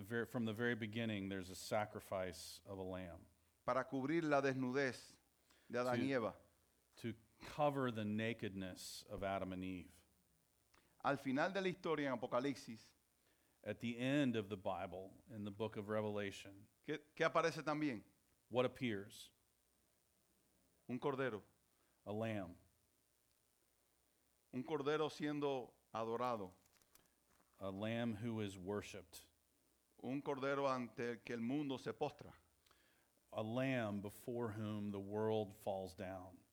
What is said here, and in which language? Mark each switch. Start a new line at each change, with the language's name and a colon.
English: From the very beginning, there's a sacrifice of a lamb.
Spanish: Para cubrir la desnudez de Adán y Eva.
English: To cover the nakedness of Adam and Eve.
Spanish: Al final de la historia en Apocalipsis.
English: At the end of the Bible, in the book of Revelation.
Spanish: ¿Qué aparece también?
English: What appears?
Spanish: Un cordero.
English: A lamb.
Spanish: Un cordero siendo adorado.
English: A lamb who is worshipped.
Spanish: Un cordero ante el que el mundo se postra.
English: A lamb before whom the world falls down.